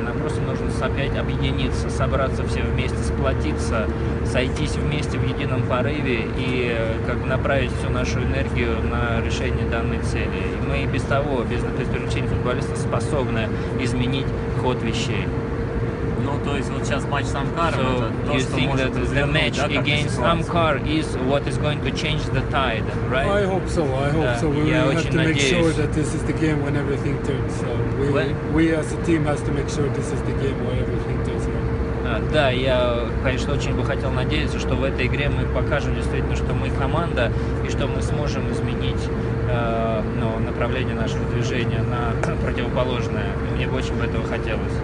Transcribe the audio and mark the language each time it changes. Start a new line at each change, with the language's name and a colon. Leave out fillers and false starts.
Russian: Нам просто нужно опять объединиться, собраться все вместе, сплотиться, сойтись вместе в едином порыве и как бы направить всю нашу энергию на решение данной цели. И мы и без того, без привлечения футболиста, способны изменить ход вещей. Ну, то есть вот сейчас матч с Амкаром,
English: so
Russian: это то, что может развернуть, да, как-то ситуацию?
English: Амкар is what is going to change the tide, right? I hope so, I hope so. We have to make sure that this is the game when everything turns. So we as a team has to make sure this is the game when everything turns.
Russian: Да, я, конечно, очень бы хотел надеяться, что в этой игре мы покажем действительно, что мы команда, и что мы сможем изменить направление нашего движения на противоположное. Мне бы очень бы этого хотелось.